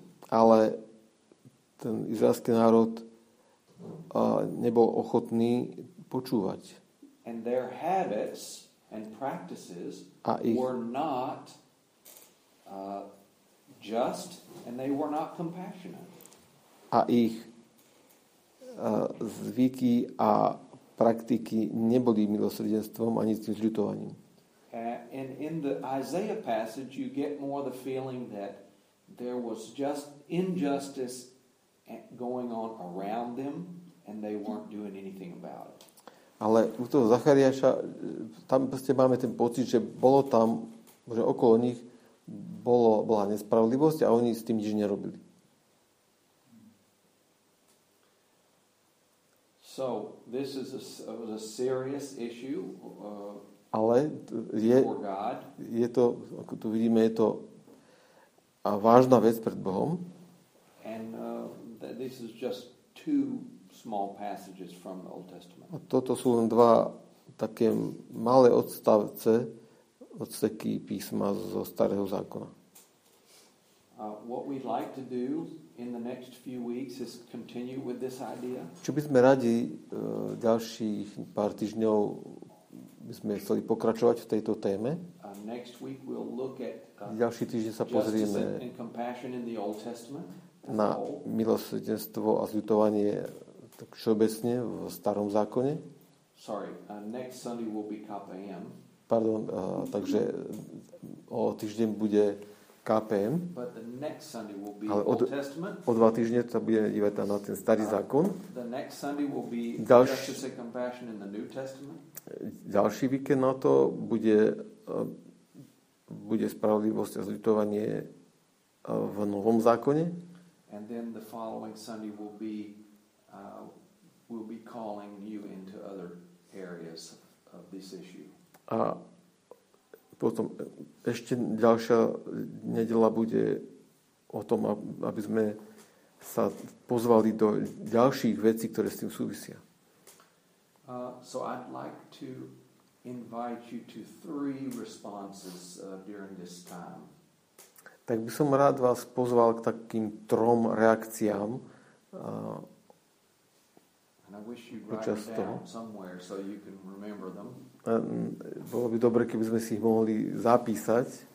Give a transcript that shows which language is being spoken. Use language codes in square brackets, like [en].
[sk] Ale ten izraelský národ nebol ochotný počúvať. [en] And their habits and practices were not just and they were not compassionate. [sk] A ich zvyky a praktiky neboli milosrdenstvom ani tým zľutovaním. [en] And in the Isaiah passage you get more the feeling that there was just injustice going on around them and they weren't doing anything about it. [sk] Ale u toho Zachariáša tam proste máme ten pocit, že bolo tam, že okolo nich bola nespravodlivosť a oni s tým nič nerobili. [en] So this is a serious issue for God. [sk] Je to, ako tu vidíme, je to vážna vec pred Bohom. [en] And this is just two small passages from the Old Testament. [sk] A toto sú len dva také malé odseky písma zo Starého zákona. [en] What we'd like to do in the next few weeks is continue with this idea. [sk] Čo by sme radi ďalších pár týždňov by sme chceli pokračovať v tejto téme. [en] Next week we'll look at [sk] ďalší týždeň sa pozrieme [en] in compassion in the Old Testament. [sk] Na milosrdenstvo a zľutovanie tak všeobecne v Starom zákone. [en] Sorry, next Sunday will be KPM. [sk] Pardon, takže o týždeň bude KPM, [en] but the next Sunday will be Old Testament. [sk] O dva týždne sa budeme dívať na ten Starý zákon. [en] The next Sunday will be justice and compassion in the New Testament. [sk] Ďalší víkend na to bude spravodlivosť a zľutovanie v Novom zákone. [en] And then the following Sunday will be calling you into other areas of this issue. [sk] A potom ešte ďalšia nedeľa bude o tom, aby sme sa pozvali do ďalších vecí, ktoré s tým súvisia. [en] So I'd like to invite you to three responses during this time. [sk] Tak by som rád vás pozval k takým trom reakciám. [en] And I wish you'd write them down somewhere so you can remember them. [sk] Bolo by dobre, keby sme si ich mohli zapísať.